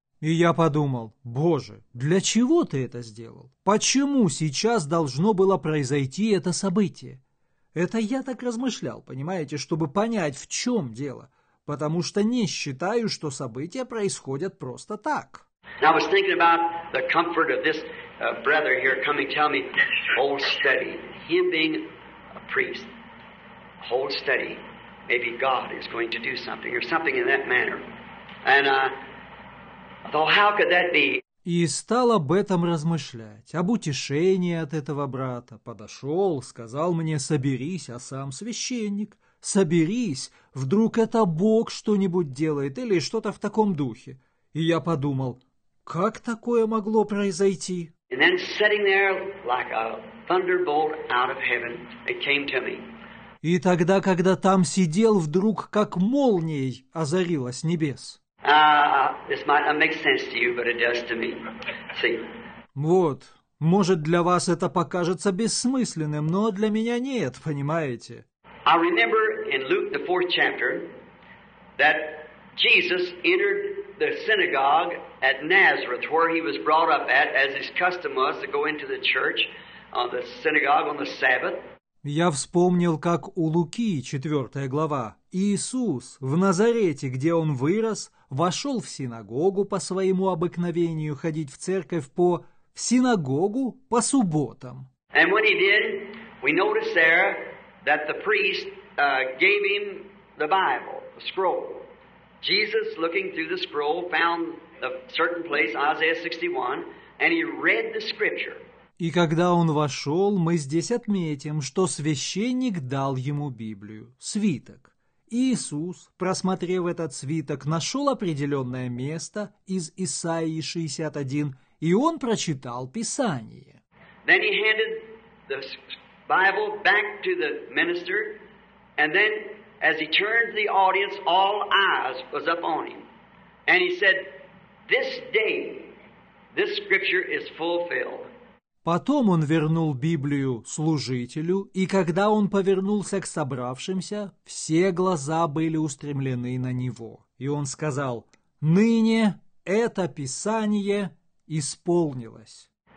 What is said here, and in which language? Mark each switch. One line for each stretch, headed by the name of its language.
Russian: И я подумал, Боже, для чего ты это сделал? Почему сейчас должно было произойти это событие? Это я так размышлял, понимаете, чтобы понять, в чем дело. Потому что не считаю, что события происходят просто так.
English: Now I was thinking about the comfort of this brother here coming to tell me, hold steady, him being a priest, hold steady, maybe God is going to do something or something in that manner. And I thought, how could that be?
Russian: И стал об этом размышлять, об утешении от этого брата. Подошел, сказал мне, соберись, а сам священник, соберись, вдруг это Бог что-нибудь делает или что-то в таком духе. И я подумал, как такое могло произойти?
English: And then sitting there like a thunderbolt out of heaven, it came to me.
Russian: И тогда, когда там сидел, вдруг как молнией озарило с небес.
English: This might not make sense to you, but it does to me. See?
Russian: Вот, может для вас это покажется бессмысленным, но для меня нет, понимаете?
English: I remember in Luke the 4th chapter that Jesus entered the synagogue at Nazareth, where he was brought up at, as his custom was to go into the church on the synagogue on the Sabbath.
Russian: Я вспомнил, как у Луки, 4 глава, Иисус в Назарете, где он вырос, вошел в синагогу по своему обыкновению ходить в церковь по... в синагогу по субботам.
English: And when he did, we noticed there that the priest gave him the Bible, the scroll. Jesus, looking through the scroll, found a certain place, Isaiah 61, and he read the scripture.
Russian: И когда он вошел, мы здесь отметим, что священник дал ему Библию, свиток. Иисус, просмотрев этот свиток, нашел определенное место из Исаии 61, и он прочитал Писание.
English: Then he handed the Bible back to the minister, and then as he turned to the audience, all eyes was up on him. And he said, "This day, this scripture is fulfilled."
Russian: Потом он вернул Библию служителю, и когда он повернулся к собравшимся, все глаза были устремлены на него. И он сказал, «Ныне это Писание исполнилось».